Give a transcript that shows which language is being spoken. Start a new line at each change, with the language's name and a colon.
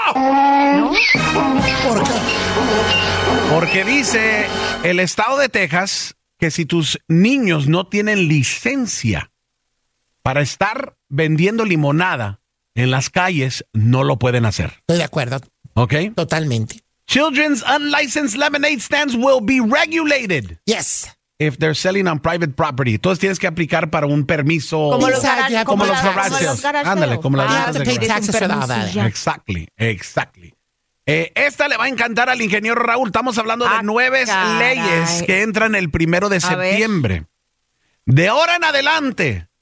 Spanish: ¿No? ¿Por qué? Porque dice el estado de Texas que si tus niños no tienen licencia para estar vendiendo limonada en las calles, no lo pueden hacer. Estoy de acuerdo. ¿Ok? Totalmente.
English: Children's unlicensed lemonade stands will be regulated. Yes. If they're selling on private property.
Spanish: Entonces tienes que aplicar para un permiso. Como los garajes. Ándale, como las garajes.
English: Exactly, exactly.
Spanish: Esta le va a encantar al ingeniero Raúl. Estamos hablando de nueve leyes que entran el primero de septiembre. De ahora en adelante...